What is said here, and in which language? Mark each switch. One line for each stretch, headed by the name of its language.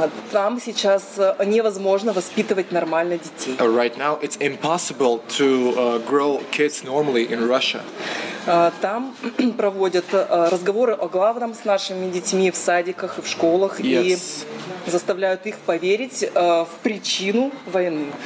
Russian: Там сейчас невозможно воспитывать нормально детей.
English: Right now, it's impossible to grow kids normally in Russia.
Russian: Там проводят разговоры о главном с нашими детьми в садиках и в школах.
English: Yes.
Russian: И заставляют их поверить в причину войны.